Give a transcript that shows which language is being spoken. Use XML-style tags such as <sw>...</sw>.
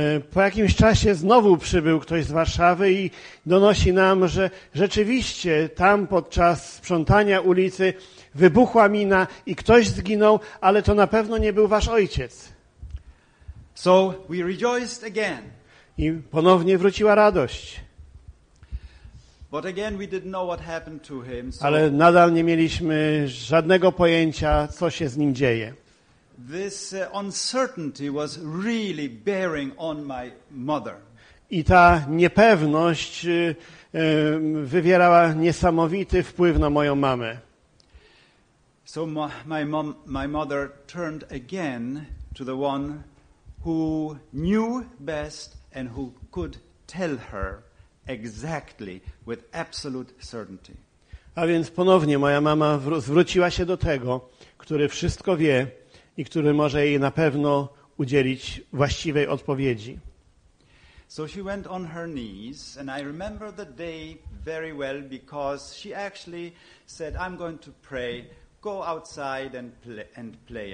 <pl>Po jakimś czasie znowu przybył ktoś z Warszawy i donosi nam, że rzeczywiście tam podczas sprzątania ulicy wybuchła mina i ktoś zginął, ale to na pewno nie był wasz ojciec.</pl> <en>So we rejoiced again.</en> <pl>I ponownie wróciła radość.</pl> <en>But again we didn't know what happened to him, so...</en> <pl>Ale nadal nie mieliśmy żadnego pojęcia, co się z nim dzieje.</pl> <en>This uncertainty was really bearing on my mother.</en> <pl>I ta niepewność wywierała niesamowity wpływ na moją mamę.</pl> <en>So my mother turned again to the one who knew best and who could tell her exactly with absolute certainty.</en> <pl>A więc ponownie moja mama zwróciła się do tego, który wszystko wie i który może jej na pewno udzielić właściwej odpowiedzi.</pl> <en>So she went on her knees, and I remember the day very well, because she actually said, I'm going to pray, go outside and play.</en>